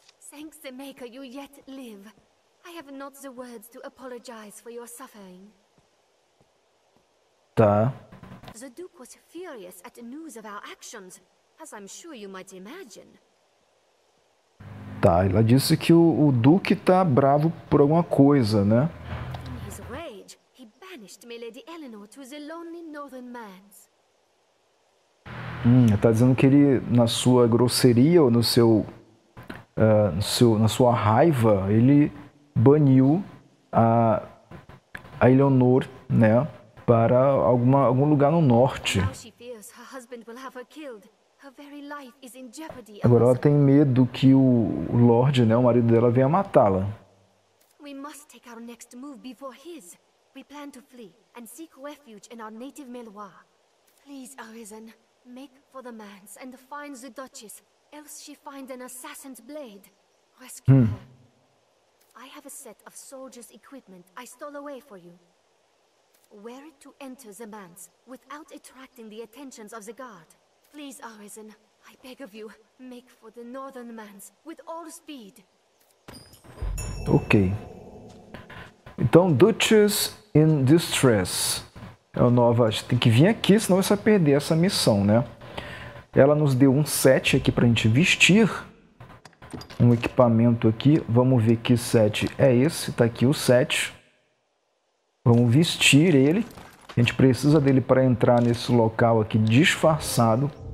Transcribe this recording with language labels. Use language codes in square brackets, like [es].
[en] Thanks, the Maker, you yet live. I have not the words to apologize for your suffering. [pt] Tá. [en] The Duke was furious at the news of our actions, as I'm sure you might imagine. [pt] Tá, ela disse que o Duque tá bravo por alguma coisa, né? [en] In his rage, he banished my Lady Eleanor to the lonely northern manse. [pt] Tá dizendo que ele, na sua grosseria, ou no seu, no seu, na sua raiva, ele baniu a Eleanor, né, para algum lugar no norte. [en] Now she fears her husband will have her killed. Her very life is in jeopardy [pt] Agora ela [en] unless [pt] tem medo que o Lorde, né, o marido dela, venha matá-la. [en] we must take our next move before his. We plan to flee and seek refuge in our native Meloir. Please, Arisen, make for the manse and find the Duchess, else she finds an assassin's blade. Rescue her. I have a set of soldiers' equipment I stole away for you. Wear it to enter the manse without attracting the attentions of the guard. Please, Arisen, I beg of you, make for the northern manse with all speed. Ok. [pt] Então, Duchess in Distress. É o nova. Tem que vir aqui, senão você vai perder essa missão, né? Ela nos deu um set aqui pra gente vestir. Um equipamento aqui. Vamos ver que set é esse. Tá aqui o set. Vamos vestir ele. A gente precisa dele para entrar nesse local aqui disfarçado.